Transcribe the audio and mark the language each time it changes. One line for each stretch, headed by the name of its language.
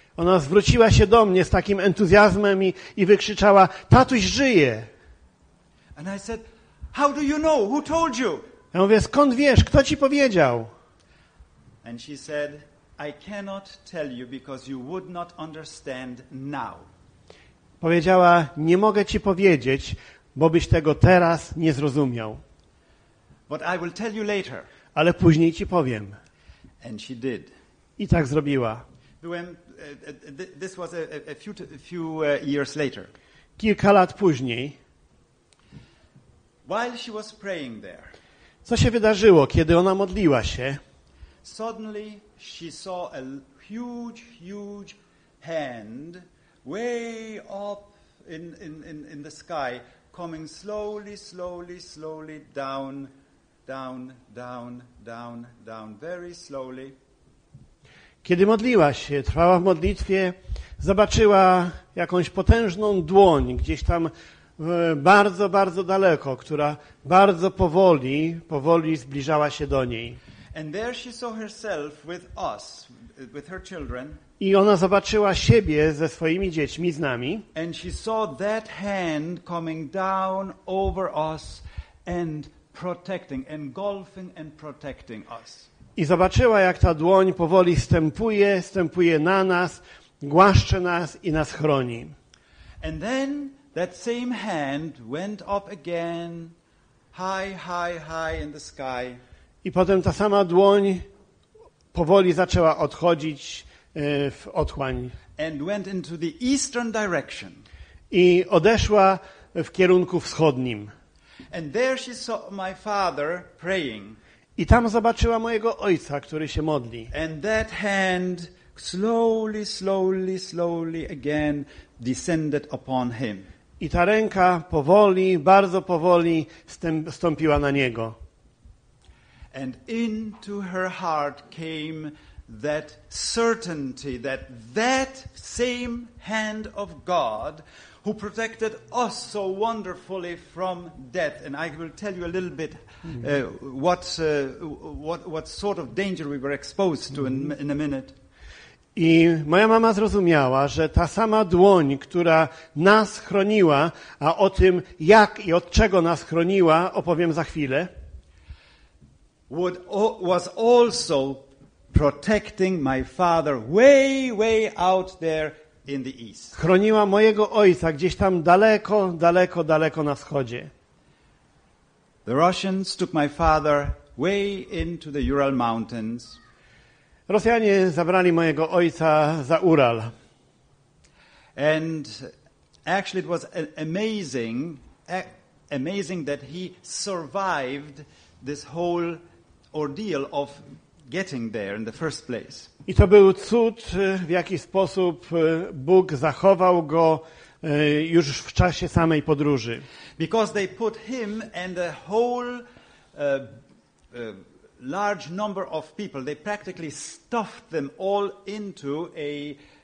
Polish: Ona zwróciła się do mnie z takim entuzjazmem i wykrzyczała, tatuś żyje.
English: And I said, how do you know? Who told you?
Polish: Ja mówię, skąd wiesz? Kto ci powiedział?
English: And she said, I cannot tell you because you would not understand now.
Polish: powiedziała: nie mogę ci powiedzieć, bo byś tego teraz nie zrozumiał.
English: But I will tell you later.
Polish: Ale później ci powiem.
English: And she did.
Polish: I tak zrobiła. Byłem,
English: this was a few years later.
Polish: Kilka lat później.
English: While she was praying there.
Polish: Co się wydarzyło, kiedy ona modliła się?
English: Suddenly she saw a huge, huge hand way up in the sky, coming slowly, slowly, slowly down, down, down, down, down, very slowly.
Polish: Kiedy modliła się, trwała w modlitwie, zobaczyła jakąś potężną dłoń gdzieś tam bardzo, bardzo daleko, która bardzo powoli, powoli zbliżała się do niej.
English: And there she saw herself with us, with her children.
Polish: I ona zobaczyła siebie ze swoimi dziećmi, z nami.
English: And she saw that hand coming down over us and protecting, engulfing and protecting us.
Polish: I zobaczyła, jak ta dłoń powoli stępuje na nas, głaszcze nas i nas chroni.
English: And then that same hand went up again, high, high, high in the sky.
Polish: I potem ta sama dłoń powoli zaczęła odchodzić w otchłań.
English: And went into the eastern direction.
Polish: I odeszła w kierunku wschodnim.
English: And there she saw my father praying.
Polish: I tam zobaczyła mojego ojca, który się modli.
English: And that hand slowly, slowly, slowly again descended upon him.
Polish: I ta ręka powoli, bardzo powoli stąpiła na niego.
English: And into her heart came that certainty that that same hand of God who protected us so wonderfully from death, and I will tell you a little bit what sort of danger we were exposed to in a minute.
Polish: I moja mama zrozumiała, że ta sama dłoń, która nas chroniła, a o tym jak i od czego nas chroniła, opowiem za chwilę.
English: Was also protecting my father way, way out there in the east.
Polish: Chroniła mojego ojca gdzieś tam daleko, daleko, daleko na wschodzie.
English: The Russians took my father way into the Ural Mountains.
Polish: Rosjanie zabrali mojego ojca za Ural.
English: And actually it was amazing that he survived this whole ordeal of getting there in the first place.
Polish: I to był cud, w jaki sposób Bóg zachował go już w czasie samej podróży.
English: Because they put him and a whole large number of people, they practically stuffed them all into a